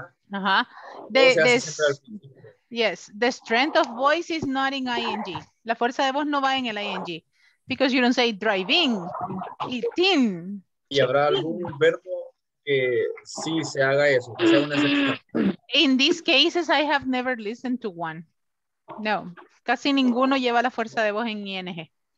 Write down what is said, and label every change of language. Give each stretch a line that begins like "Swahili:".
English: The strength of voice is not in ing.
Spanish: La fuerza de voz no va en el ing.
English: Because you don't say driving, eating.
Spanish: ¿Y habrá algún verbo que sí se haga eso? Que sea una excepción.
English: In these cases, I have never listened to one. No.
Spanish: Casi ninguno lleva la fuerza de voz en ing.